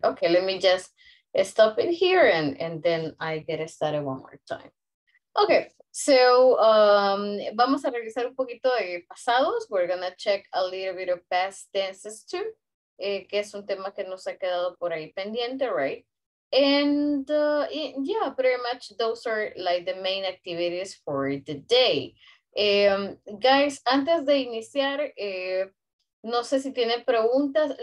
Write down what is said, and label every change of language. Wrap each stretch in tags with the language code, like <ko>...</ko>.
<en>Okay, let me just stop it here and then I get started one more time.</en> <es>Okay, so vamos a revisar un poquito de pasados.</es> <en>We're gonna check a little bit of past tenses too, que es un tema que nos ha quedado por ahí pendiente, right? And yeah, pretty much those are like the main activities for the day.</en> <es>Guys, antes de iniciar, no sé si tienen preguntas.</es>